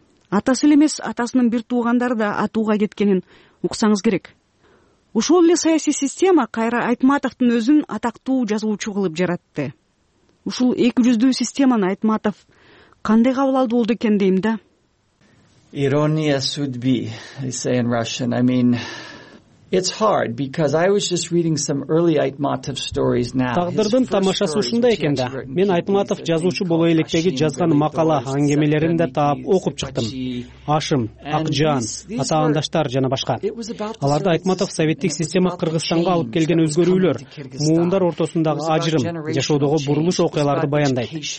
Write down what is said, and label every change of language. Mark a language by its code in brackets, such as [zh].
[ky] Атасы эле эмес, атасынын бир туугандары да атууга кеткенин уксаңыз керек. Ушул эле саясий система кайра Айтматовдун өзүн атактуу жазуучу кылып жаратты. Ушул эки жүздүү системаны Айтматов кандай кабыл алды болду экен дейм да. [ru] Ирония судьбы, [en] they say in Russian. It's hard because I was just reading some early Aitmatov stories now. [ky] Тагдырдын тамашасы ушундай экен да. Мен Айтматов жазуучу боло электеги жазган макала аңгемелерин да таап окуп чыктым. Ашым, Акжан, атаандаштар жана башка. Аларда Айтматов советтик система Кыргызстанга алып келген өзгөрүүлөр, муундар ортосундагы ажырым, жашоодогу бурулуш окуяларды баяндайт.